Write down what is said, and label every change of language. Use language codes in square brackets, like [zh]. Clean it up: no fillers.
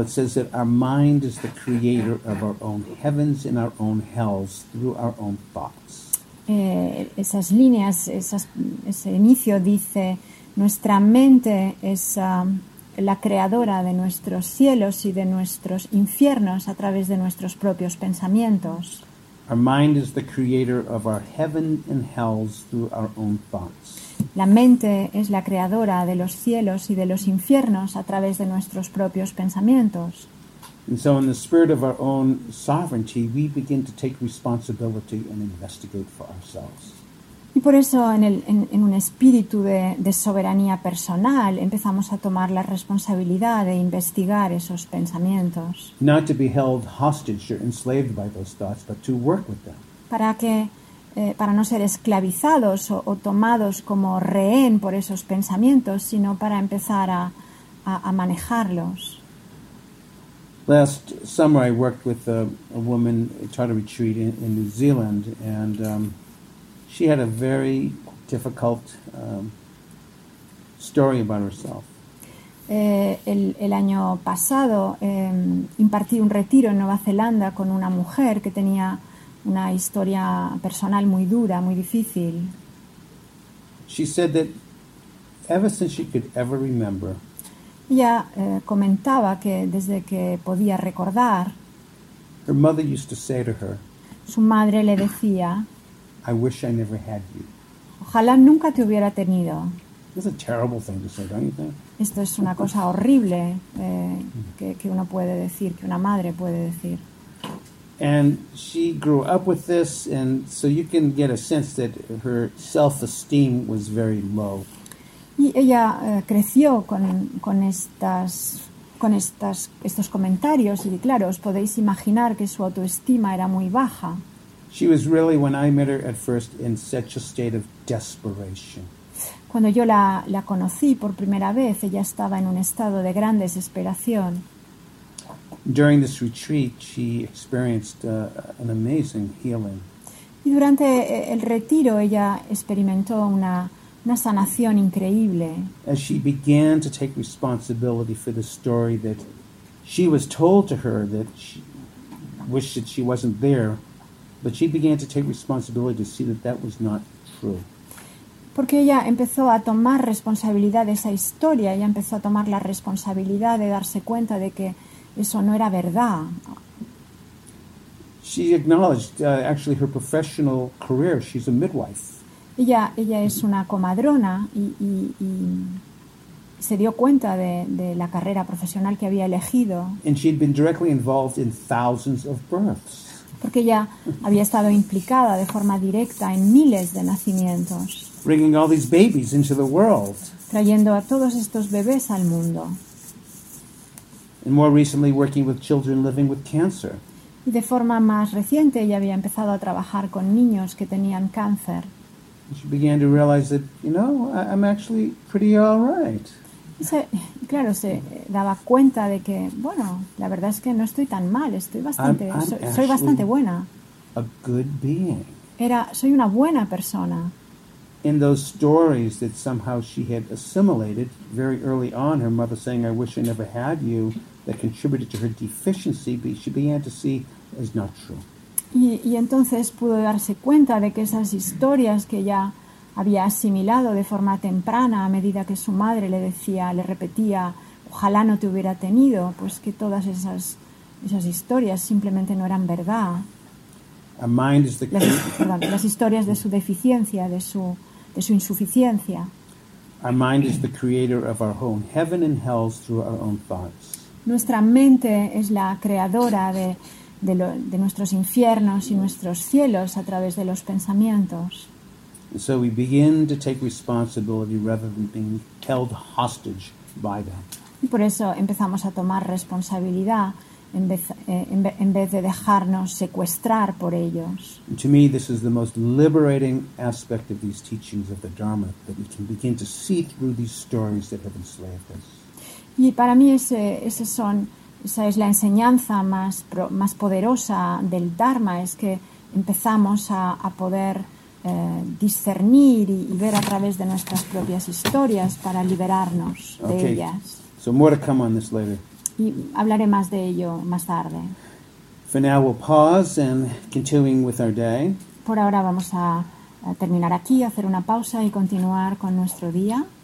[en] It says that our mind is the creator of our own heavens and our own hells through our own thoughts. [es] Esas líneas, ese inicio dice, nuestra mente es la creadora de nuestros cielos y de nuestros infiernos a través de nuestros propios pensamientos. [en] Our mind is the creator of our heaven and hells through our own thoughts. [es] La mente es la creadora de los cielos y de los infiernos a través de nuestros propios pensamientos. [en] And so in the spirit of our own sovereignty, we begin to take responsibility and investigate for ourselves. [es] Y por eso en un espíritu de soberanía personal empezamos a tomar la responsabilidad de investigar esos pensamientos. [en] Not to be held hostage or enslaved by those thoughts, but to work with them. [es] Para no ser esclavizados o tomados como rehén por esos pensamientos, sino para empezar a manejarlos. [en] Last summer I worked with a woman who taught a retreat in New Zealand, and she had a very difficult story about herself. [es] El año pasado impartí un retiro en Nueva Zelanda con una mujer que tenía una historia personal muy dura, muy difícil. [en] She said that ever since she could ever remember, [es] ella comentaba que desde que podía recordar, [en] her mother used to say to her, [es] su madre le decía, [en] I wish I never had you. [es] Ojalá nunca te hubiera tenido. [en] It's a terrible thing to say, don't you think? [es] Esto es una cosa horrible que uno puede decir, que una madre puede decir. [en] And she grew up with this, and so you can get a sense that her self-esteem was very low. [es] Y ella creció con estos comentarios, y claro, os podéis imaginar que su autoestima era muy baja. [en] She was really, when I met her at first, in such a state of desperation. [es] Cuando yo la conocí por primera vez, ella estaba en un estado de gran desesperación. [en] During this retreat, she experienced an amazing healing. [es] Y durante el retiro, ella experimentó una sanación increíble. [en] As she began to take responsibility for the story that she was told to her, that she wished that she wasn't there, but she began to take responsibility to see that that was not true. [es] Porque ella empezó a tomar responsabilidad de esa historia, ella empezó a tomar la responsabilidad de darse cuenta de que eso no era verdad. [en] She acknowledged, actually, her professional career. She's a midwife. [es] Ella es una comadrona y se dio cuenta de la carrera profesional que había elegido. [en] And she'd been directly involved in thousands of births. [es] Porque ella había estado implicada de forma directa en miles de nacimientos. [en] Bringing all these babies into the world. [es] Trayendo a todos estos bebés al mundo. [en] And more recently, working with children living with cancer. [es] Y de forma más reciente, ella había empezado a trabajar con niños que tenían cáncer. [en] She began to realize that, you know, I'm actually pretty all right. [es] Claro, se daba cuenta de que, bueno, la verdad es que no estoy tan mal, soy bastante buena. [en] A good being. [es] Soy una buena persona. [en] In those stories that somehow she had assimilated very early on, her mother saying, I wish I never had you, that contributed to her deficiency, but she began to see as not true. [es] Y entonces pudo darse cuenta de que esas historias que ya había asimilado de forma temprana a medida que su madre le decía, le repetía, ojalá no te hubiera tenido, pues que todas esas historias simplemente no eran verdad. [en] A mind is the key. [es] Las historias de su deficiencia, de su insuficiencia. [en] Our mind is the creator of our own heaven and hell through our own thoughts. [es] Nuestra mente es la creadora de nuestros infiernos y nuestros cielos a través de los pensamientos. [en] And so we begin to take responsibility rather than being held hostage by them. [es] Y por eso empezamos a tomar responsabilidad en vez de dejarnos secuestrar por ellos. [en] And to me, this is the most liberating aspect of these teachings of the Dharma, that we can begin to see through these stories that have enslaved us. [es] Y para mí esa es la enseñanza más poderosa del Dharma, es que empezamos a poder discernir y ver a través de nuestras propias historias para liberarnos de ellas. [en] So more to come on this later. [es] Y hablaré más de ello más tarde. [en] For now we'll pause and continuing with our day. [es] Por ahora vamos a terminar aquí, hacer una pausa y continuar con nuestro día.